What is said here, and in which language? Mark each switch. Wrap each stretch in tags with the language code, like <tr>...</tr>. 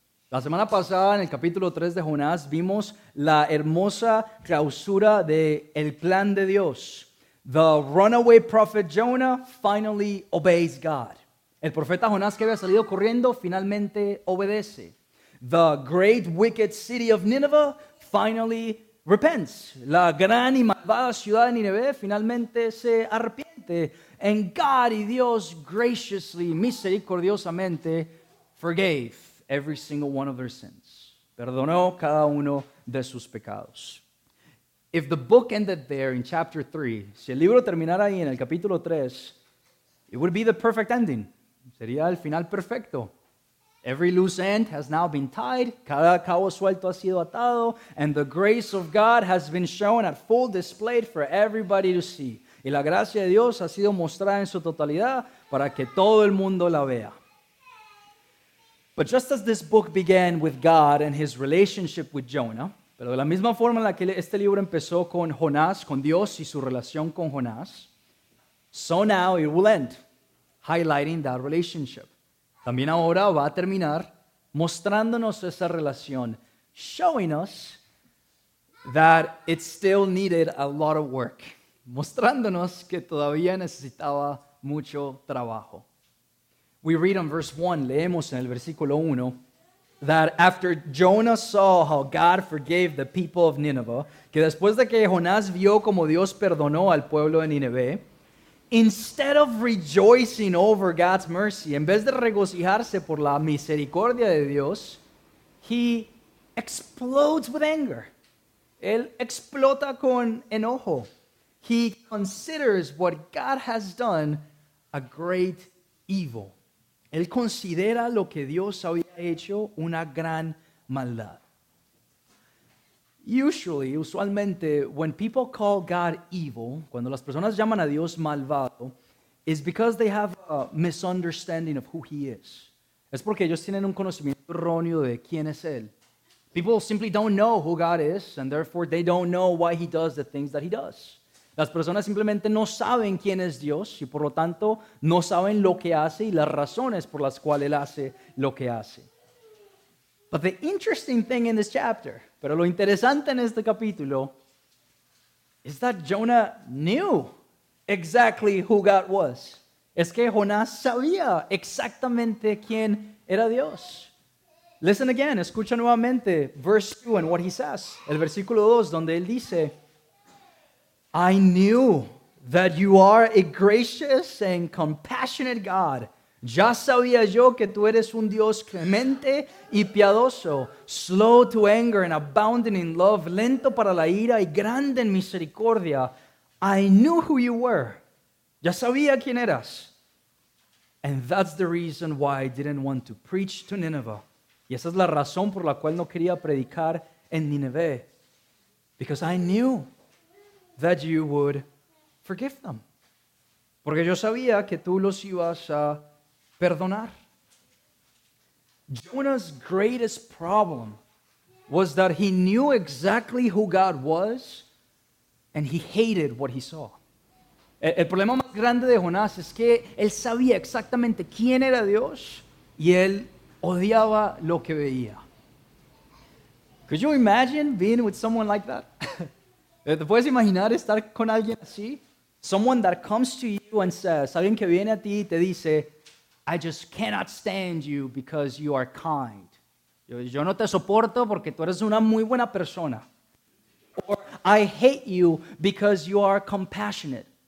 <es>La semana pasada, en el capítulo 3 de Jonás, vimos la hermosa clausura de el plan de Dios.</es> <en>The runaway prophet Jonah finally obeys God.</en> <es>El profeta Jonás que había salido corriendo finalmente obedece.</es> <en>The great wicked city of Nineveh finally repents.</en> <es>La gran y malvada ciudad de Nineveh finalmente se arrepiente.</es> <en>And God</en> <es>y Dios</es> <en>graciously,</en> <es>misericordiosamente,</es> <en>forgave every single one of their sins.</en> <es>Perdonó cada uno de sus pecados.</es> <en>If the book ended there in chapter 3,</en> <es>si el libro terminara ahí en el capítulo 3,</es> <en>it would be the perfect ending.</en> <es>Sería el final perfecto.</es> <en>Every loose end has now been tied,</en> <es>cada cabo suelto ha sido atado,</es> <en>and the grace of God has been shown at full display for everybody to see.</en> <es>Y la gracia de Dios ha sido mostrada en su totalidad para que todo el mundo la vea.</es> <en>But just as this book began with God and his relationship with Jonah,</en> <es>Pero de la misma forma en la que este libro empezó con Jonás, con Dios y su relación con Jonás,</es> <en>so now it will end, highlighting that relationship.</en> <es>También ahora va a terminar mostrándonos esa relación,</es> <en>showing us that it still needed a lot of work,</en> <es>mostrándonos que todavía necesitaba mucho trabajo.</es> <en>We read in verse 1,</en> <es>leemos en el versículo 1,</es> <en>that after Jonah saw how God forgave the people of Nineveh,</en> <es>que después de que Jonás vio como Dios perdonó al pueblo de Nineveh,</es> <en>instead of rejoicing over God's mercy,</en> <es>en vez de regocijarse por la misericordia de Dios,</es> <en>he explodes with anger.</en> <es>Él explota con enojo.</es> <en>He considers what God has done a great evil.</en> <es>Él considera lo que Dios había hecho una gran maldad. Usualmente,</es> <en>when people call God evil,</en> <es>cuando las personas llaman a Dios malvado,</es> <en>is because they have a misunderstanding of who he is.</en> <es>Es porque ellos tienen un conocimiento erróneo de quién es él.</es> <en>People simply don't know who God is, and therefore they don't know why he does the things that he does.</en> <es>Las personas simplemente no saben quién es Dios y por lo tanto no saben lo que hace y las razones por las cuales él hace lo que hace.</es> <en>But the interesting thing in this chapter,</en> <es>pero lo interesante en este capítulo,</es> <en>is that Jonah knew exactly who God was.</en> <es>Es que Jonás sabía exactamente quién era Dios.</es> <en>Listen again,</en> <es>escucha nuevamente</es> <en>verse 2 and what he says.</en> <es>El versículo 2 donde él dice,</es> <en>I knew that you are a gracious and compassionate God.</en> <es>Ya sabía yo que tú eres un Dios clemente y piadoso,</es> <en>slow to anger and abounding in love,</en> <es>lento para la ira y grande en misericordia.</es> <en>I knew who you were.</en> <es>Ya sabía quién eras.</es> <en>And that's the reason why I didn't want to preach to Nineveh.</en> <es>Y esa es la razón por la cual no quería predicar en Nineveh.</es> <en>Because I knew that you would forgive them.</en> <es>Porque yo sabía que tú los ibas a perdonar.</es> <en>Jonah's greatest problem was that he knew exactly who God was and he hated what he saw.</en> <es>El problema más grande de Jonás es que él sabía exactamente quién era Dios y él odiaba lo que veía.</es> <en>Could you imagine being with someone like that?</en> <es>¿Te puedes imaginar estar con alguien así?</es> <en>Someone that comes to you and says,</en> <es>alguien que viene a ti y te dice,</es> <en>I just cannot stand you because you are kind.</en> <es>Yo no te soporto porque tú eres una muy buena persona.</es> <en>Or I hate you because you are compassionate.</en>